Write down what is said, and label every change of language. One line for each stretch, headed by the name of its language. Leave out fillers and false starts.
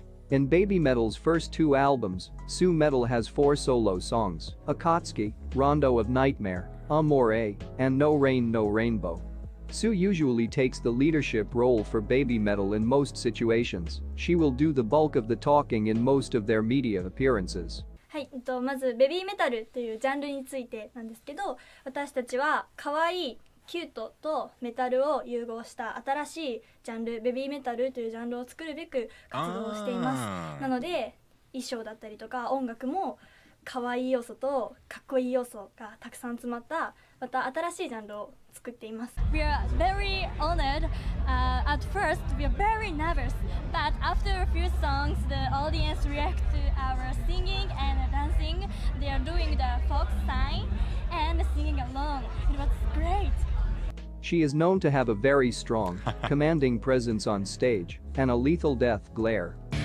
English: In BABYMETAL's first two albums, moametal has four solo songs: Akatsuki, Rondo of Nightmare, Amore, and No Rain No Rainbow. Sue usually takes the leadership role for BABYMETAL in most situations. She will do the bulk of the talking in most of their media appearances.
Japanese: はい、まずベビーメタルというジャンルについてなんですけど、私たちは可愛い キュートとメタルを融合した新しいジャンル、ベビーメタルというジャンルを作るべく活動をしています。なので、衣装だったりとか音楽も可愛い要素とかっこいい要素がたくさん詰まった、また新しいジャンルを作っています。
English: We are very honored. At first, we are very nervous. But after a few songs, the audience react to our singing and dancing. They are doing the fox sign and singing along. It was great. She is known to have a very strong, commanding presence on stage, and a lethal death glare.